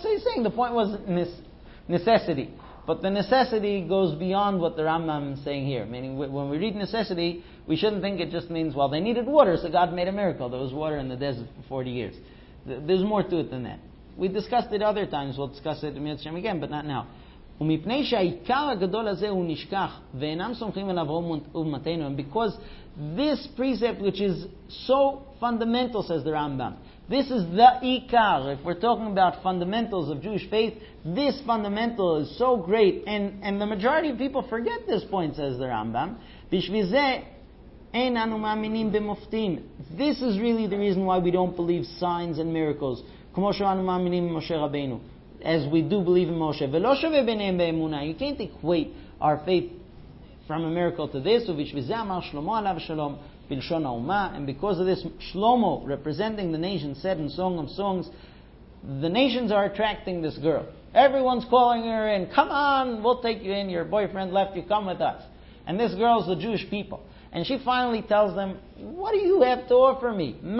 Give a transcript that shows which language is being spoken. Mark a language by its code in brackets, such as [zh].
[en] So he's saying the point was necessity. But the necessity goes beyond what the Rambam is saying here. Meaning, when we read necessity, we shouldn't think it just means, well, they needed water, so God made a miracle. There was water in the desert for 40 years. There's more to it than that. We discussed it other times. We'll discuss it in Yitzchem again, but not now. [he] ומפני שהעיקר הגדול הזה הוא נשכח ואינם סומכים על אברהם ומתנו. [en] And because this precept, which is so fundamental, says the Rambam, this is the ikar. If we're talking about fundamentals of Jewish faith, this fundamental is so great. And the majority of people forget this point, says the Rambam. [he] בשביל זה אין אנו מאמינים במופתים. [en] This is really the reason why we don't believe signs and miracles. [he] כמו שאנו מאמינים במשה רבנו. [en] As we do believe in Moshe. [he] ולא שווה ביניהם באמונה. [en] You can't equate our faith from a miracle to this. [he] ובשביל זה אמר שלמה עליו שלום בלשון האומה. [en] And because of this, Shlomo, representing the nation, said in Song of Songs, the nations are attracting this girl. Everyone's calling her in. Come on, we'll take you in. Your boyfriend left you. Come with us. And this girl's the Jewish people. And she finally tells them, what do you have to offer me?